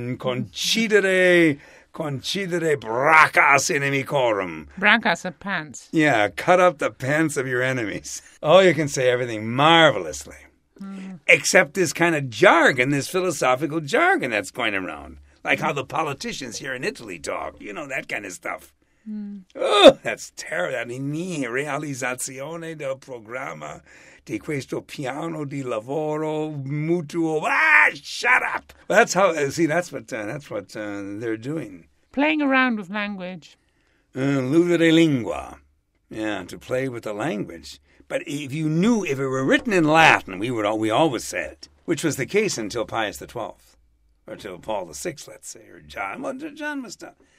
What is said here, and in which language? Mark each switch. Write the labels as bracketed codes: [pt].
[la] concedere bracas inimicorum. [en] Bracas of pants. Yeah, cut up the pants of your enemies. Oh, you can say everything marvelously. Except this kind of jargon, this philosophical jargon that's going around. Like how the politicians here in Italy talk. That kind of stuff. That's terrible. I mean, [it] realizzazione del programma di questo piano di lavoro mutuo. [en] Shut up! That's what they're doing. Playing around with language. [la] Ludere lingua. [en] Yeah, to play with the language. But if it were written in Latin, we always said, which was the case until Pius the 12th, or until Paul the 6th, let's say, or John. Well, John was done.